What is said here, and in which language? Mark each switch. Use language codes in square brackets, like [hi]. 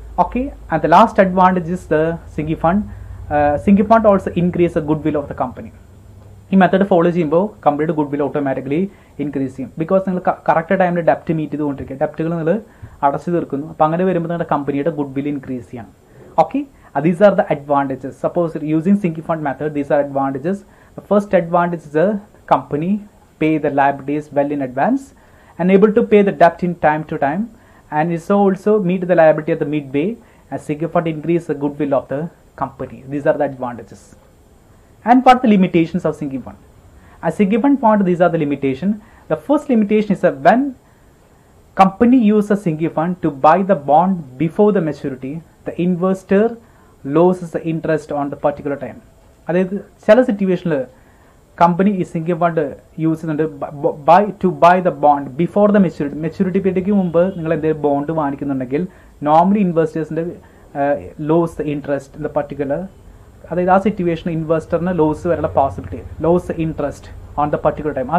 [en] Okay, and the last advantage is the sinking fund. Sinking fund also increase the goodwill of the company. [ml] ഈ method follow ചെയ്യുമ്പോൾ കമ്പനിയുടെ good will automatically increase ചെയ്യും. Because നിങ്ങൾ correct ടൈമിൽ ഡെപ്റ്റ് meet ചെയ്തുകൊണ്ടിരിക്കുക, ഡെപ്റ്റുകൾ നിങ്ങൾ അടച്ചു തീർക്കുന്നു. അപ്പം അങ്ങനെ വരുമ്പോൾ നിങ്ങളുടെ കമ്പനിയുടെ ഗുഡ് വിൽ ഇൻക്രീസ് ചെയ്യണം. Okay, [en] These are the advantages suppose using sinking fund method. These are advantages. The first advantage is the company pay the liabilities well in advance and able to pay the debt in time to time and is also meet the liability at the midway as sinking fund increase the goodwill of the company. These are the advantages. And what are the limitations of sinking fund? As a given point, these are the limitation. The first limitation is that when company uses a sinking fund to buy the bond before the maturity, the investor loses the interest on the particular time. That is sell a situation [ml] company ഈ sinking fund use ചെയ്യുന്നുണ്ട് [en] By the bond before the maturity. [ml] Maturity പീരീഡിക്ക് മുമ്പ് നിങ്ങൾ എന്തെങ്കിലും bond വാങ്ങിക്കുന്നുണ്ടെങ്കിൽ normally ഇൻവെസ്റ്റേഴ്സിൻ്റെ [en] loss the interest in the particular, [ml] അതായത് ആ situation ഇൻവെസ്റ്ററിന് loss വരാനുള്ള possibility, [en] Loss interest on the particular time.